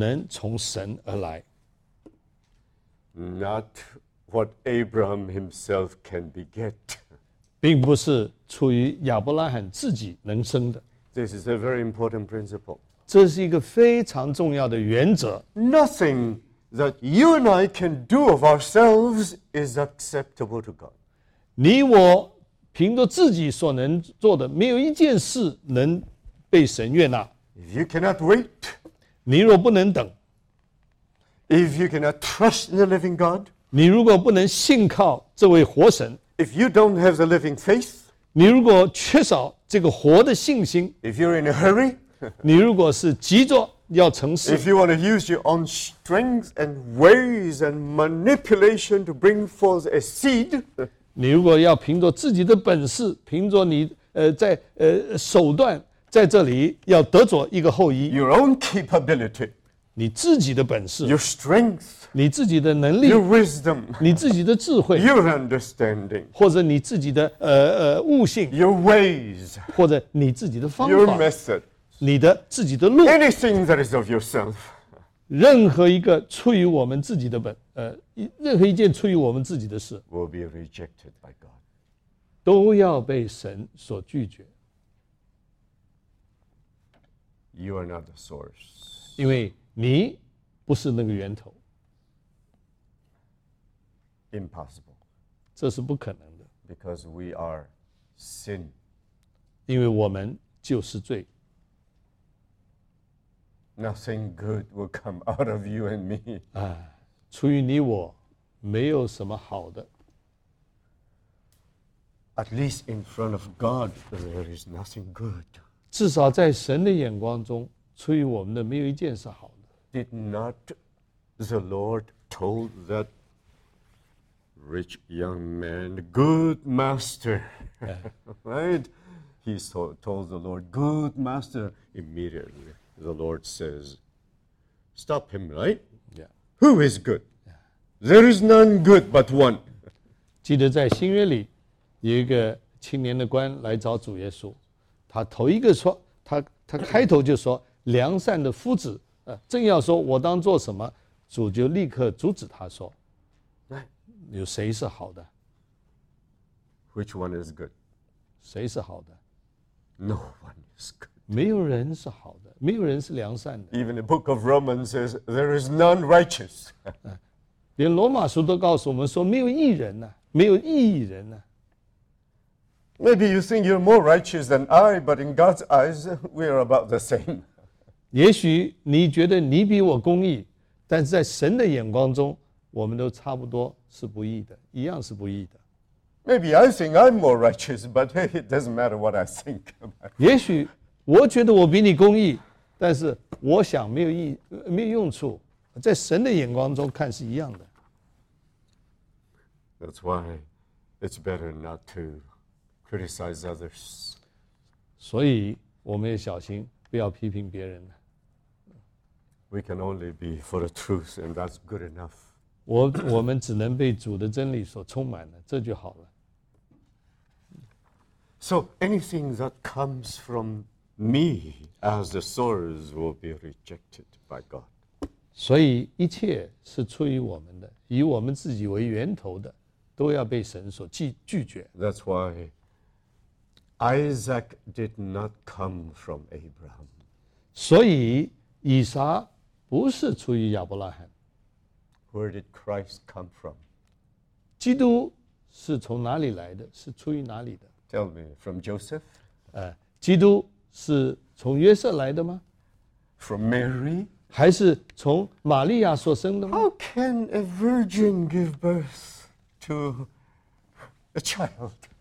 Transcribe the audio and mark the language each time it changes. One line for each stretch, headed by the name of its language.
Chinese: 因为以撒只能从神而来。
English: Not what Abraham himself can beget.
Chinese: 并不是出于亚伯拉罕自己能生的。
English: This is a very important principle.
Chinese: 这是一个非常重要的原则。
English: Nothing that you and I can do of ourselves is acceptable to God.
Chinese: 你我凭着自己所能做的，没有一件事能被神悦纳。
English: If you cannot wait,
Chinese: 你若不能等。
English: If you cannot trust the living God,
Chinese: 你如果不能信靠这位活神。
English: If you don't have the living faith,
Chinese: 你如果缺少这个活的信心。
English: If you're in a hurry,
Chinese: 你如果是急着要成事。
English: If you want to use your own strength and ways and manipulation to bring forth a seed,
Chinese: 你如果要凭着自己的本事，凭着你在手段在这里要得着一个后裔。
English: Your own capability.
Chinese: 你自己的本事
English: your strength,
Chinese: 你自己的能力
English: your wisdom,
Chinese: 你自己的智慧
English: your understanding,
Chinese: 或者你自己的悟性
English: your ways,
Chinese: 或者你自己的方法
English: your method,
Chinese: 你的自己的路
English: anything that is of yourself,
Chinese: 任何一个出于我们自己的本任何一件出于我们自己的事
English: will be rejected by God,
Chinese: 都要被神所拒绝
English: you are not the source,
Chinese: 因为你不是那个源头
English: Impossible
Chinese: 这是不可能的
English: Because we are sin
Chinese: 因为我们就是罪
English: Nothing good will come out of you and me
Chinese: 出于你我没有什么好的
English: At least in front of God there is nothing good
Chinese: 至少在神的眼光中出于我们的没有一件是好的
English: Did not the Lord told that rich young man, good master, right? He told the Lord, good master. Immediately, the Lord says, stop him, right? Yeah. Who is good? There is none good but one.
Chinese: 记得在新约里，有一个青年的官来找主耶稣，他头一个说，他开头就说，良善的夫子。正要说我当做什么主就立刻阻止他说有谁是好的
English: Which one is good?
Chinese: 谁是好的
English: No one is good
Chinese: 没有人是好的没有人是良善的
English: Even the book of Romans says there is none righteous
Chinese: 连罗马书都告诉我们说没有义人啊没有义人啊
English: Maybe you think you're more righteous than I but in God's eyes we are about the same
Chinese: 也许你觉得你比我公义，但是在神的眼光中，我们都差不多是不义的，一样是不义的。
English: Maybe I think I'm more righteous, but hey, it doesn't matter what I think about.
Chinese: 也许我觉得我比你公义，但是我想没有义，没有用处，在神的眼光中看是一样的。
English: That's why it's better not to criticize others.
Chinese: 所以我们也小心。不要批评别人。
English: We can only be for the truth, and that's good enough.
Chinese: 我们只能被主的真理所充满了，这就好了。
English: So anything that comes from me as the source will be rejected by God.
Chinese: 所以一切是出于我们的，以我们自己为源头的，都要被神所拒绝。
English: That's why. Isaac did not come from Abraham.
Chinese: 所以以撒不是出于亚伯拉罕。
English: Where did Christ come from?
Chinese: 基督是从哪里来的？是出于哪里的
English: ？Tell me, from Joseph?
Chinese: 基督是从约瑟来的吗
English: ？From Mary?
Chinese: 还是从玛利亚所生的吗
English: ？How can a virgin give birth to a child?